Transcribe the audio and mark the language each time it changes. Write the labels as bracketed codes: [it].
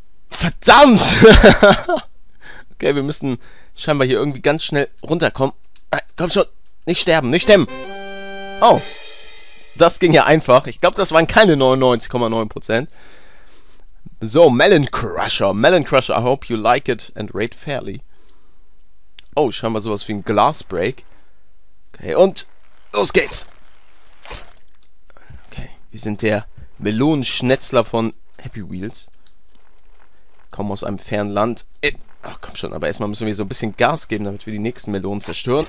[de] Verdammt! Okay, wir müssen scheinbar hier irgendwie ganz schnell runterkommen. Komm schon, nicht sterben, nicht sterben! Oh, das ging ja einfach. Ich glaube, das waren keine 99,9%. So, Melon Crusher. [en] Melon Crusher, I hope you like it and rate fairly. [de] Oh, scheinbar sowas wie ein Glass Break. Okay, und los geht's! Okay, wir sind der Melonenschnetzler von Happy Wheels. Kommen aus einem fernen Land. Ach, komm schon, aber erstmal müssen wir so ein bisschen Gas geben, damit wir die nächsten Melonen zerstören.